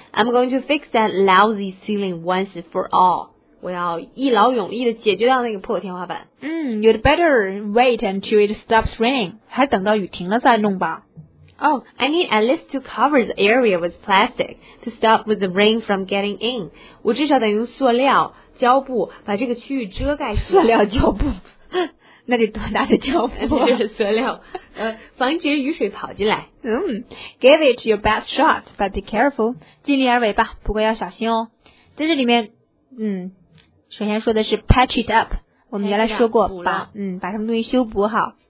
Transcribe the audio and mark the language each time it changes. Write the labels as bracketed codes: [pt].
[en] I'm going to fix that lousy ceiling once for all. [zh] 我要一劳永逸地解决掉那个破天花板。 [en] You'd better wait until it stops raining. [zh] 还等到雨停了再弄吧。 [en] Oh, I need at least to cover the area with plastic to stop with the rain from getting in. [zh] 我至少得用塑料胶布把这个区域遮盖住。塑料胶布。那得多大的胶布啊，塑料，防止雨水跑进来。 [en] Give it your best shot, but be careful. [zh] 尽力而为吧，不过要小心哦。在这里面，首先说的是 [en] patch it up， [zh] 我们原来说过把，把什么东西修补好。